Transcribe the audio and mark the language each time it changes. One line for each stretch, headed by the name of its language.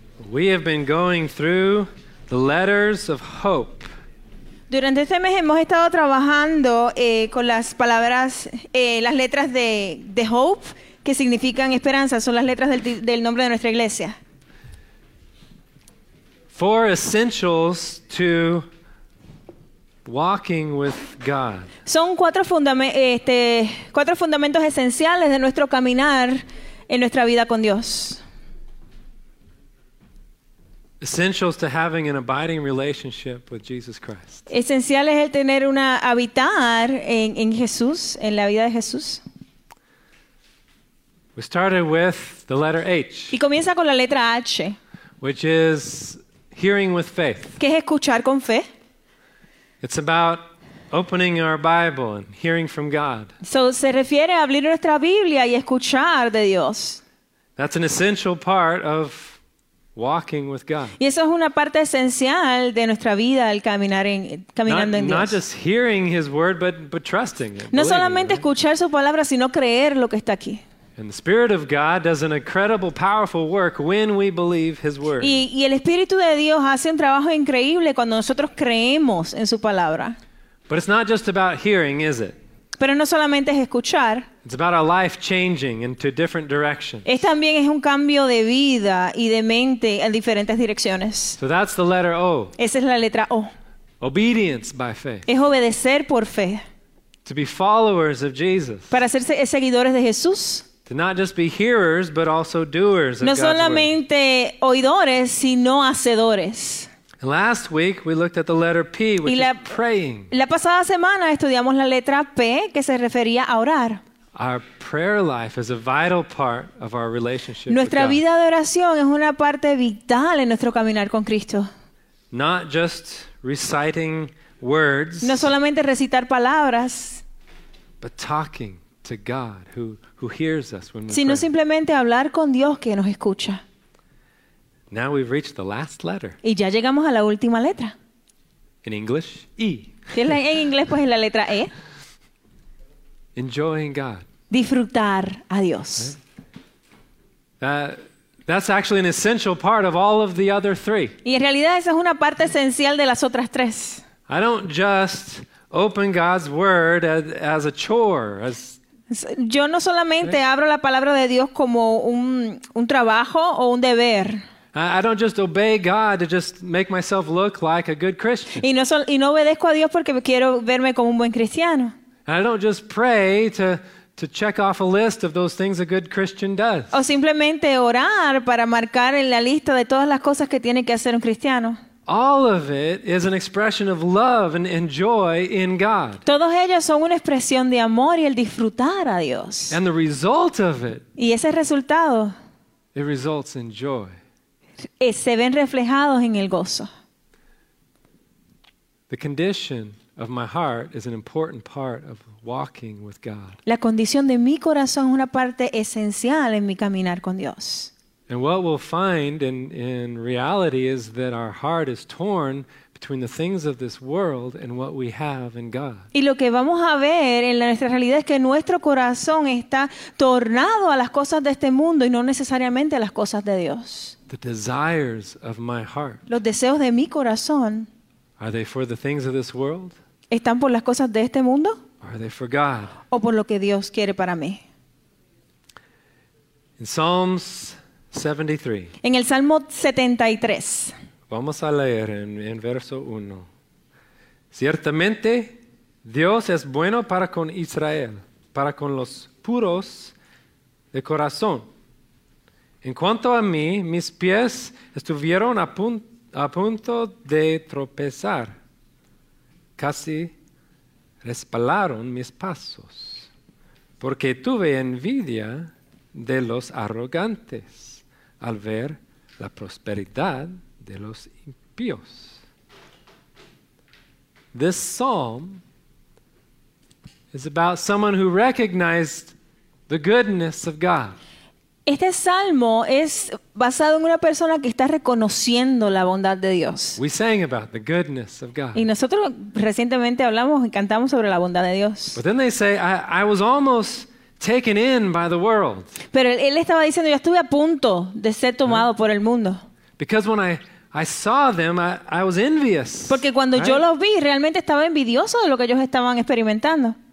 English: We have been going through the letters of hope.
Spanish: Durante este mes hemos estado trabajando con las palabras, las letras de hope, que significan esperanza, son las letras del nombre de nuestra iglesia.
English: Four essentials to walking with God.
Spanish: Son cuatro fundamentos esenciales de nuestro caminar en nuestra vida con Dios.
English: Essentials to having an abiding relationship with Jesus Christ.
Spanish: Esencial es el tener una habitar en Jesús, en la vida de Jesús.
English: We started with the letter H.
Spanish: Y comienza con la letra H.
English: Which is hearing with faith.
Spanish: Que es escuchar con fe.
English: It's about opening our Bible and hearing from God.
Spanish: So se refiere a abrir nuestra Biblia y escuchar de Dios.
English: That's an essential part of walking with God.
Spanish: Y eso es una parte esencial de nuestra vida, el caminando en Dios.
English: Not just hearing His word, but trusting it.
Spanish: No solamente escuchar su palabra, sino creer lo que está aquí.
English: And the Spirit of God does an incredible, powerful work when we believe His word.
Spanish: Y el Espíritu de Dios hace un trabajo increíble cuando nosotros creemos en su palabra.
English: But it's not just about hearing, is it?
Spanish: Pero no solamente es escuchar.
English: It's about our life changing into different directions.
Spanish: Es también es un cambio de vida y de mente en diferentes direcciones.
English: So that's the letter O.
Spanish: Esa es la letra O.
English: Obedience by faith.
Spanish: Es obedecer por fe.
English: To be followers of Jesus.
Spanish: Para ser seguidores de Jesús.
English: To not just be hearers, but also doers of God's word.
Spanish: No solamente oidores, sino hacedores.
English: And last week we looked at the letter P, which is praying.
Spanish: La pasada semana estudiamos la letra P, que se refería a orar.
English: Our prayer life is a vital part of our relationship with God.
Spanish: Nuestra vida de oración es una parte vital en nuestro caminar con Cristo.
English: Not just reciting words.
Spanish: No solamente recitar palabras.
English: But talking to God who hears us when we pray.
Spanish: Sino simplemente hablar con Dios que nos escucha.
English: Now we've reached the last letter.
Spanish: Y ya llegamos a la última letra.
English: In English, E.
Spanish: En inglés, pues es la letra E.
English: Enjoying God.
Spanish: Disfrutar a Dios.
English: That's actually an essential part of all of the other three.
Spanish: Y en realidad esa es una parte esencial de las otras tres.
English: I don't just open God's word as a chore.
Spanish: Yo no solamente abro la palabra de Dios como un trabajo o un deber.
English: I don't just obey God to just make myself look like a good Christian.
Spanish: Y no obedezco a Dios porque quiero verme como un buen cristiano.
English: I don't just pray to check off a list of those things a good Christian does.
Spanish: O simplemente orar para marcar en la lista de todas las cosas que tiene que hacer un cristiano.
English: All of it is an expression of love and joy in God.
Spanish: Todos ellos son una expresión de amor y el disfrutar a Dios.
English: And the result of it.
Spanish: Y ese resultado.
English: It results in joy.
Spanish: Se ven reflejados en el gozo.
English: The condition of my heart is an important part of walking with God.
Spanish: La condición de mi corazón es una parte esencial en mi caminar con Dios.
English: And what we'll find in reality is that our heart is torn between the things of this world and what we have in God.
Spanish: Y lo que vamos a ver en nuestra realidad es que nuestro corazón está tornado a las cosas de este mundo y no necesariamente a las cosas de Dios.
English: The desires of my heart.
Spanish: Los deseos de mi corazón.
English: Are they for the things of this world?
Spanish: ¿Están por las cosas de este mundo?
English: Are they for God?
Spanish: ¿O por lo que Dios quiere para mí?
English: In Psalms 73.
Spanish: En el Salmo 73. Vamos a leer en verso 1. Ciertamente, Dios es bueno para con Israel, para con los puros de corazón. En cuanto a mí, mis pies estuvieron a punto de tropezar. Casi resbalaron mis pasos, porque tuve envidia de los arrogantes al ver la prosperidad de los impíos.
English: This psalm is about someone who recognized the goodness of God.
Spanish: Este salmo es basado en una persona que está reconociendo la bondad de Dios.
English: We sang about the goodness of God.
Spanish: Y nosotros recientemente hablamos y cantamos sobre la bondad de Dios.
English: But then they say, I was almost taken in by the world.
Spanish: Pero él estaba diciendo, yo estuve a punto de ser tomado por el mundo.
English: Because when I saw them, I was envious.
Spanish: Porque cuando yo los vi, realmente estaba envidioso de lo que ellos estaban experimentando.